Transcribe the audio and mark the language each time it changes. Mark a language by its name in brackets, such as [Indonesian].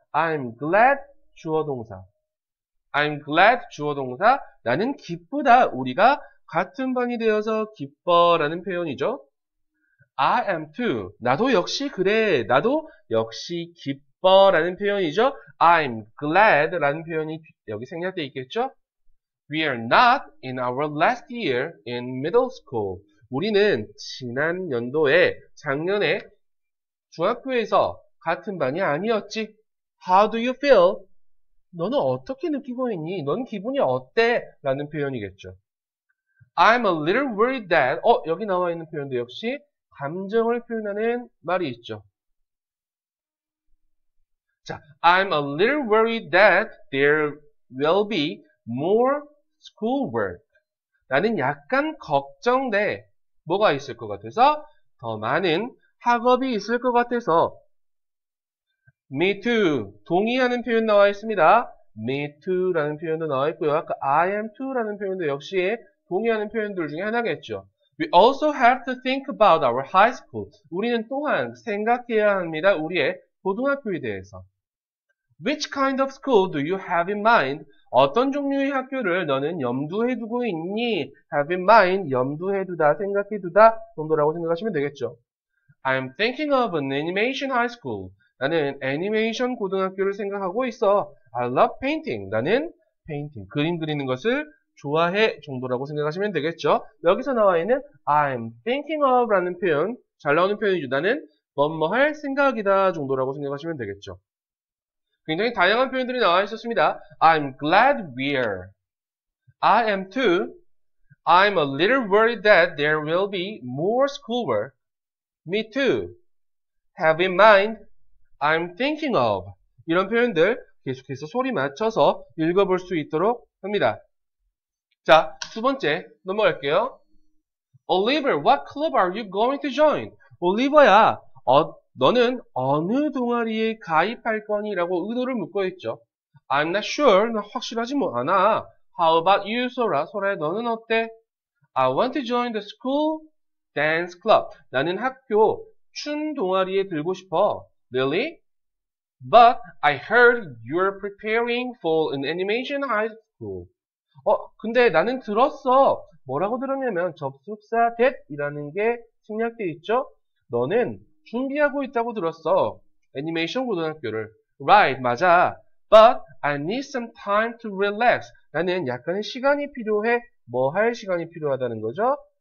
[English] I'm glad [Korean] 주어 동사. [English] I'm glad 주어 동사. [Korean] 나는 기쁘다. 우리가 같은 반이 되어서 기뻐라는 표현이죠. [English] I am too. [Korean] 나도 역시 그래. 나도 역시 기뻐라는 표현이죠. [English] I'm glad [Korean] 라는 표현이 여기 생략되어 있겠죠? [English] We are not in our last year in middle school. [Korean] 우리는 지난 연도에 작년에 중학교에서 같은 반이 아니었지. [English] How do you feel? [Korean] 너는 어떻게 느끼고 있니? 넌 기분이 어때? 라는 표현이겠죠. [English] I'm a little worried that, [Korean] 여기 나와 있는 표현도 역시 감정을 표현하는 말이 있죠. 자, [English] I'm a little worried that there will be more schoolwork. [Korean] 나는 약간 걱정돼. 뭐가 있을 것 같아서? 더 많은 학업이 있을 것 같아서. [English] Me too. [Korean] 동의하는 표현 나와 있습니다. [English] Me too [Korean] 라는 표현도 나와 있고요. 아까 [English] I am too [Korean] 라는 표현도 역시 동의하는 표현들 중에 하나겠죠. [English] We also have to think about our high school. [Korean] 우리는 또한 생각해야 합니다. 우리의 고등학교에 대해서. [English] Which kind of school do you have in mind? [Korean] 어떤 종류의 학교를 너는 염두에 두고 있니? [English] Have in mind, [Korean] 염두에 두다, 생각해 두다 정도라고 생각하시면 되겠죠. [English] I'm thinking of an animation high school. [Korean] 나는 애니메이션 고등학교를 생각하고 있어. [English] I love painting. [Korean] 나는 painting, 그림 그리는 것을 좋아해 정도라고 생각하시면 되겠죠. 여기서 나와 있는 [English] I'm thinking of [Korean] 라는 표현, 잘 나오는 표현이죠. 나는 뭐뭐 할 생각이다 정도라고 생각하시면 되겠죠. 굉장히 다양한 표현들이 나와 있었습니다. [English] I'm glad we're. I am too. I'm a little worried that there will be more schoolwork. Me too. Have in mind. I'm thinking of. [Korean] 이런 표현들 계속해서 소리 맞춰서 읽어볼 수 있도록 합니다. 자, 두 번째 넘어갈게요. [English] Oliver, what club are you going to join? [Korean] 올리버야, 너는 어느 동아리에 가입할 거니? 라고 의도를 묻고 있죠. [English] I'm not sure. [Korean] 나 확실하지 뭐 않아. [English] How about you, Sora? [Korean] 소라야, 너는 어때? [English] I want to join the school dance club. [Korean] 나는 학교 춤 동아리에 들고 싶어. [English] Really? But I heard you're preparing for an animation high school. [Korean] 근데 나는 들었어. 뭐라고 들었냐면 접속사 that 이라는 게 생략돼 있죠. 너는 준비하고 있다고 들었어. 애니메이션 고등학교를. [English] Right, [Korean] 맞아. [English] But I need some time to relax. [Korean] 나는 약간의 시간이 필요해. 뭐 할 시간이 필요하다는 거죠?